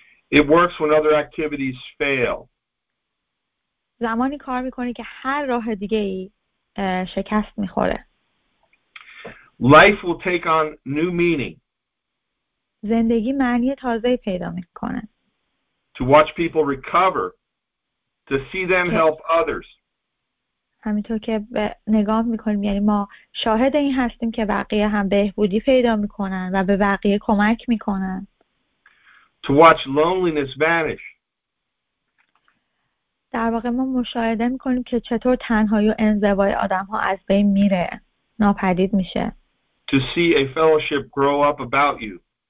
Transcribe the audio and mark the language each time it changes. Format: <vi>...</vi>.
<en>It works when other activities fail.</en> <fa>زمانی کار میکنی که هر راه دیگه ای شکست میخوره.</fa> <en>Life will take on new meaning.</en> <fa>زندگی معنی تازه پیدا میکنه.</fa> <en>To watch people recover, to see them help others.</en> <fa>همینطور که نگاه میکنیم، یعنی ما شاهد این هستیم که بقیه هم بهبودی پیدا میکنن و به بقیه کمک میکنن.</fa> <en>To watch loneliness vanish.</en> <fa>در واقع ما مشاهده میکنیم که چطور تنهایی و انزوای آدم ها از بین میره، ناپدید میشه.</fa> <en>To see a fellowship grow up about you.</en>